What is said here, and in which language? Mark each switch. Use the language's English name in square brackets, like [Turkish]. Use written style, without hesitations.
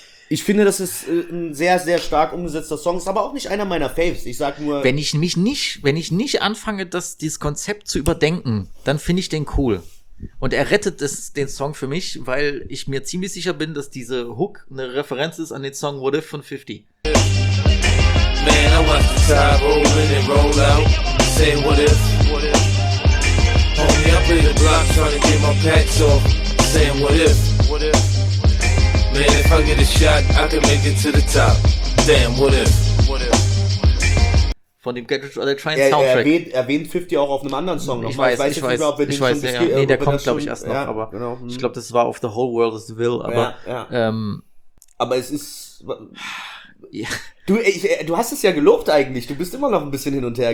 [German] Ich finde, das ist ein sehr, sehr stark umgesetzter Song. Ist aber auch nicht einer meiner Faves. Ich sag nur... Wenn ich nicht anfange, dieses Konzept zu überdenken, dann finde ich den cool. Und er rettet den Song für mich, weil ich mir ziemlich sicher bin, dass diese Hook eine Referenz ist an den Song What If von 50. [English] Man, I watch the tide rolling and roll out. Say what if... Homie, I play the block trying to get my packs off. Saying what if? What if? Man, if I get a shot, I can make it to the top. Damn, what if? What if? [German] Von dem Gadget oder Train Soundtrack. Erwähnt 50 auch auf einem anderen Song noch. Ich weiß nicht, ob wir den schon. Nee, der kommt, glaube ich, erst noch. Ja, aber genau. Ich glaube, das war auf The Whole World is Will. Aber, ja, ja. Aber es ist. Ja. Du hast es ja gelobt eigentlich. Du bist immer noch ein bisschen hin und her